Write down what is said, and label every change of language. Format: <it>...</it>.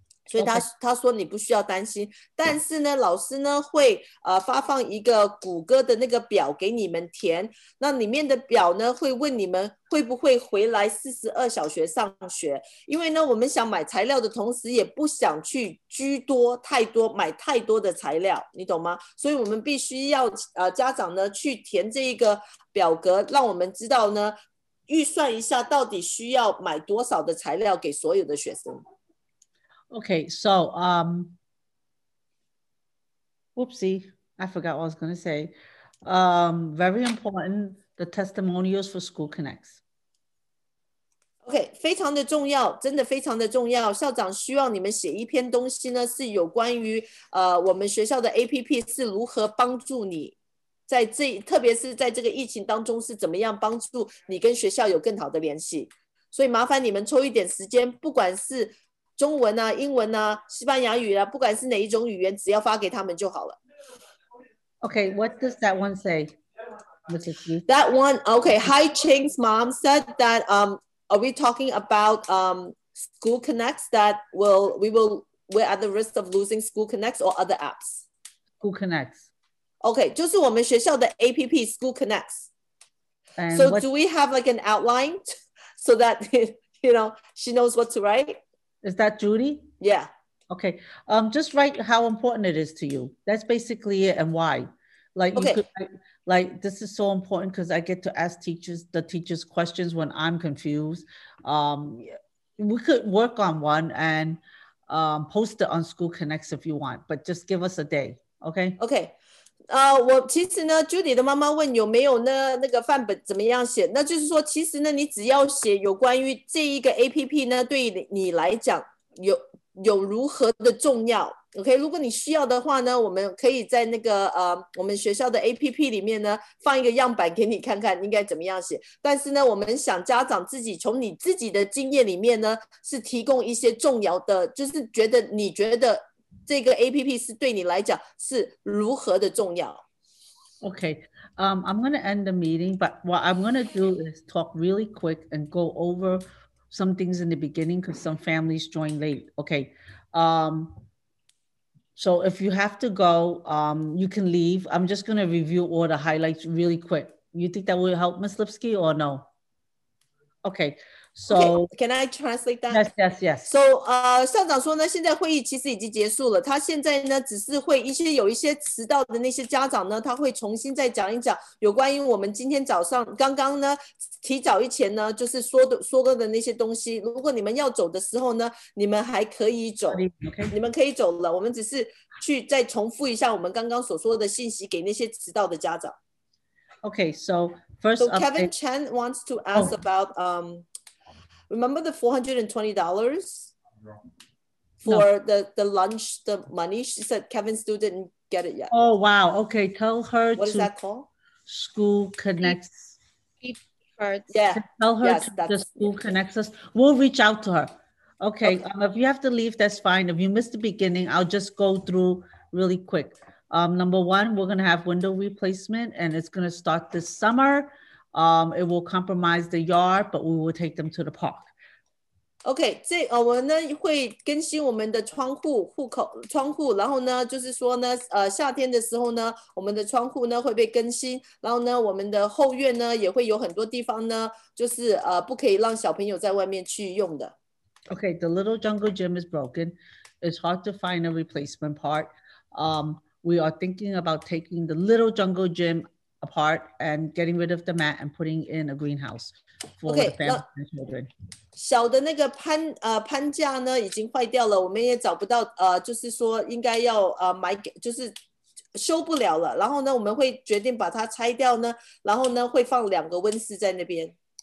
<zh>所以他说你不需要担心，但是呢，老师呢会发放一个谷歌的那个表给你们填，那里面的表呢会问你们会不会回来42小时上学，因为呢我们想买材料的同时也不想去居多太多买太多的材料，你懂吗？所以我们必须要家长呢去填这一个表格，让我们知道呢预算一下到底需要买多少的材料给所有的学生。</zh> <en>Okay, so, I forgot what I was going to say. Very important, the testimonials for School Connects.</en> <zh>Okay, 非常的重要，真的非常的重要。校长希望你们写一篇东西呢，是有关于我们学校的 APP 是如何帮助你在这，特别是在这个疫情当中是怎么样帮助你跟学校有更好的联系。所以麻烦你们抽一点时间，不管是中文啊，英文啊，西班牙语啊，不管是哪一种语言，只要发给他们就好了。</zh> <en>Okay, what does that one say? That one, okay. Hi, Ching's mom said that, are we talking about, School Connects that will, we're at the risk of losing School Connects or other apps? School Connects. Okay, 就是我们学校的 APP, School Connects. So do we have like an outline so that, you know, she knows what to write? Is that Judy? Yeah. Okay. Just write how important it is to you. That's basically it and why. Like, okay. like this is so important because I get to ask the teachers questions when I'm confused. We could work on one and post it on School Connects if you want, but just give us a day. Okay. Okay.</en> <zh>我其实呢 ，Judy 的妈妈问有没有呢那个范本怎么样写？那就是说，其实呢，你只要写有关于这一个 APP 呢，对你来讲有如何的重要， OK， 如果你需要的话呢，我们可以在那个我们学校的 APP 里面呢放一个样板给你看看应该怎么样写。但是呢，我们想家长自己从你自己的经验里面呢，是提供一些重要的，就是觉得你觉得这个 APP 是对你来讲是如何的重要。</zh> <en>OK， I'm going to end the meeting, but what I'm going to do is talk really quick and go over some things in the beginning because some families join late. OK. So if you have to go, you can leave. I'm just going to review all the highlights really quick. You think that will help, Ms. Lipsky, or no? Okay, so... Okay, can I translate that? Yes, yes, yes.</en> <zh>So, 校长说呢，现在会议其实已经结束了。他现在呢，只是会一些有一些迟到的那些家长呢，他会重新再讲一讲有关于我们今天早上刚刚呢，提早以前呢，就是说过的那些东西。如果你们要走的时候呢，你们还可以走，</zh> <en>okay.</en> <zh>你们可以走了。我们只是去再重复一下我们刚刚所说的信息给那些迟到的家长。</zh> <en>Okay, so first, so Kevin Chen wants to ask about, remember the $420 for the lunch, the money? She said Kevin still didn't get it yet. Oh, wow. Okay, tell her what is that called? School Connects. Yeah, tell her the school connects us. We'll reach out to her. Okay, if you have to leave, that's fine. If you missed the beginning, I'll just go through really quick. Number one, we're going to have window replacement and it's going to start this summer. It will compromise the yard, but we will take them to the park.</en> <zh>Okay, 我们呢会更新我们的窗户户口窗户，然后呢就是说呢夏天的时候呢我们的窗户呢会被更新，然后呢我们的后院呢也会有很多地方呢就是不可以让小朋友在外面去用的。</zh> <en>Okay, the little jungle gym is broken. It's hard to find a replacement part. We are thinking about taking the little jungle gym apart and getting rid of the mat and putting in a greenhouse for okay, the family and children.</en> <zh>小的那个攀架呢已经坏掉了，我们也找不到就是说应该要买就是修不了了，然后呢我们会决定把它拆掉呢，然后呢会放两个温室在那边。</zh>